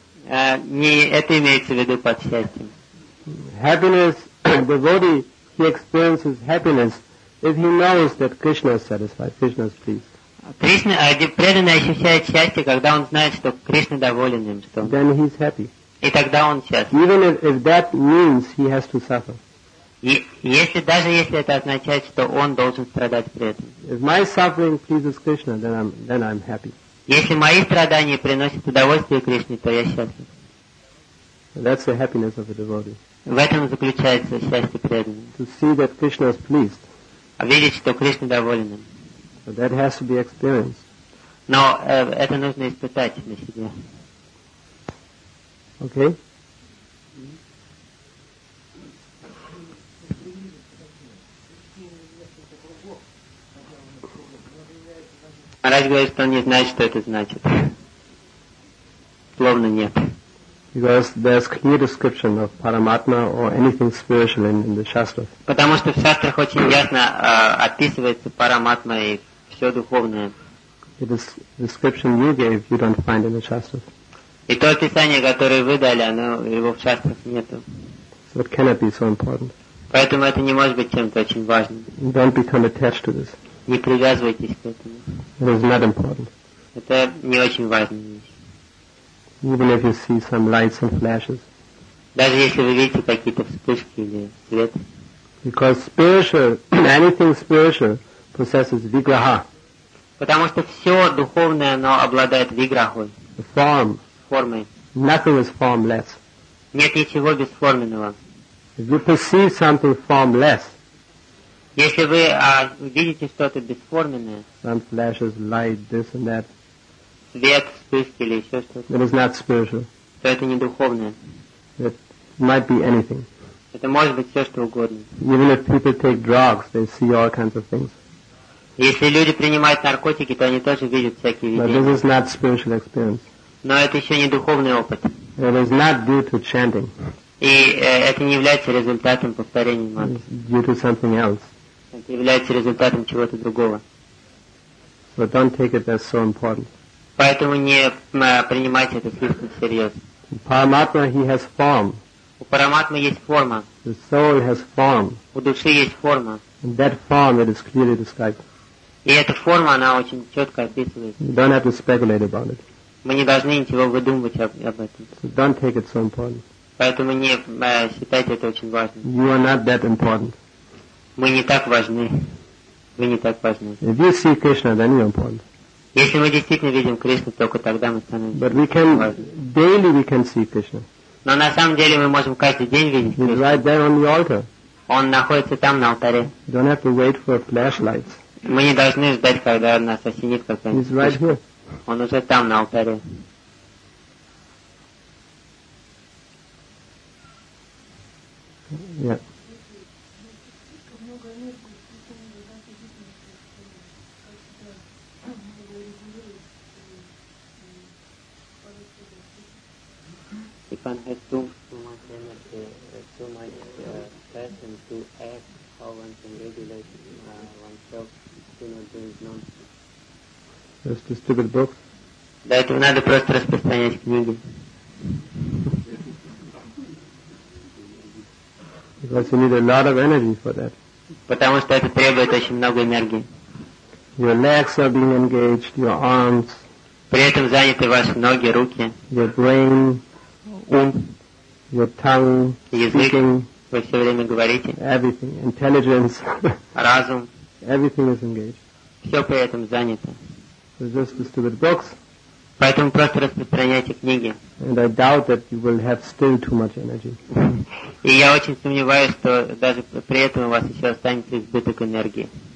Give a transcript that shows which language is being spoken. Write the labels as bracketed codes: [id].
[ru] Не это имеется в виду под счастьем. [en] Happiness, devotee, he experiences happiness if he knows that Krishna is satisfied, Krishna is pleased. [ru] Кришна, преданный ощущает счастье, когда он знает, что Кришна доволен им. Что... [en] Then he is happy. [ru] И тогда он счастлив. [en] Even if that means he has to suffer. [ru] Даже если это означает, что он должен страдать при этом. [en] If my suffering pleases Krishna, then I'm happy. [ru] Если мои страдания приносят удовольствие Кришне, то я счастлив. [en] That's the happiness of the devotee. [ru] В этом заключается счастье преданного. [en] To see that Krishna is pleased. [ru] А видеть, что Кришна доволен им. [en] But that has to be experienced. [ru] Но это нужно испытать на себе. [en] Okay. [ru] Марадж говорит, что он не знает, что это значит. Словно нет. [en] Because there's clear description of Paramatma or anything spiritual in the Shastras. [ru] Потому что в Шастрах очень ясно описывается Параматма и все духовное. [en] It is description you gave, you don't find in the Shastras. [ru] И то описание, которое вы дали, оно его в шастрах нету. [en] So it cannot be so important. [ru] Поэтому это не может быть чем-то очень важным. [en] Don't become attached to this. [ru] не привязывайтесь к этому. [en] It is not important. [ru] Это не очень важная вещь. [en] Even if you see some lights and flashes. [ru] Даже если вы видите какие-то вспышки или свет. [en] Because spiritual, anything spiritual possesses vigraha. [ru] Потому что все духовное, оно обладает виграхой. [en] Form. [ru] Формой. [en] Nothing is formless. [ru] Нет ничего бесформенного. [en] If you perceive something formless. [ru] Если вы видите что-то бесформенное. [en] Some flashes, light, this and that. [ru] Свет, вспышки или еще что-то. [en] It is not spiritual. [ru] То это не духовное. [en] It might be anything. [ru] Это может быть все, что угодно. [en] Even if people take drugs, they see all kinds of things. [ru] Если люди принимают наркотики, то они тоже видят всякие видения. [en] But this is not spiritual experience. [ru] Но это еще не духовный опыт. [en] It is not due to chanting. [ru] И это не является результатом повторения мантры. [en] It is due to something else. [ru] Это является результатом чего-то другого. [en] So don't take it as so important. [ru] Поэтому не принимайте это слишком всерьез. [en] Paramatma, he has form. [ru] У Параматмы есть форма. [en] The soul has form. [ru] У души есть форма. [en] And that form, it is clearly described. [ru] И эта форма, она очень четко описывается. [en] You don't have to speculate about it. [ru] Мы не должны ничего выдумывать об этом. [en] So don't take it so important. [ru] Поэтому не считайте это очень важным. [en] You are not that important. [ru] Мы не так важны. Вы не так важны. [en] If you see Krishna, then you are important. [ru] Если мы действительно видим Кришну, только тогда мы становимся. [en] But we can daily we can see Krishna. [ru] Но на самом деле мы можем каждый день видеть Кришну. [en] He's right there on the altar. [ru] Он находится там на алтаре. [en] You don't have to wait for flashlights. [ru] Мы не должны ждать, когда нас осенит какая-нибудь. [en] He's right here. [ru] Он уже там на алтаре. [en] Yeah. If one has too much energy, too much passion to act, how one can regulate oneself to not do it nonsense. That's the stupid book. [ru] Да, это надо просто распространять книги. [en] Because you need a lot of energy for that. [ru] Потому что это требует очень много энергии. [en] Your legs are being engaged, your arms. [ru] При этом заняты ваши ноги, руки. [en] Your brain. [ru] Ум, [en] your tongue, speaking, [ru] вы все время говорите, [en] everything, intelligence, [ru] разум, [en] everything is engaged. [ru] Все при этом занято. [en] It's just the stupid books. [ru] Поэтому просто распространяйте книги. [en] And I doubt that you will have still too much energy. [ru] И я очень сомневаюсь, что даже при этом у вас еще останется избыток энергии.